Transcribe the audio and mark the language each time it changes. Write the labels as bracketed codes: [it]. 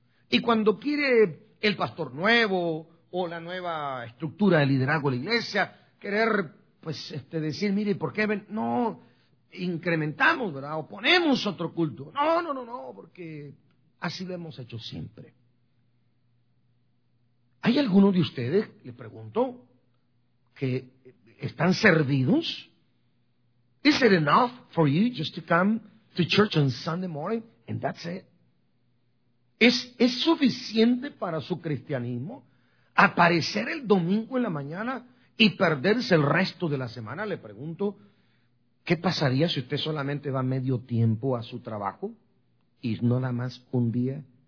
[es] Y cuando quiere el pastor nuevo o la nueva estructura de liderazgo de la iglesia querer, pues, decir, mire, ¿por qué no incrementamos, verdad? O ponemos otro culto. No, porque así lo hemos hecho siempre. ¿Hay alguno de ustedes, le pregunto, que están servidos? [en] ¿Is it enough for you just to come to church on Sunday morning and that's it? [es] ¿Es suficiente para su cristianismo aparecer el domingo en la mañana y perderse el resto de la semana? Le pregunto, ¿qué pasaría si usted solamente va medio tiempo a su trabajo y no nada más un día?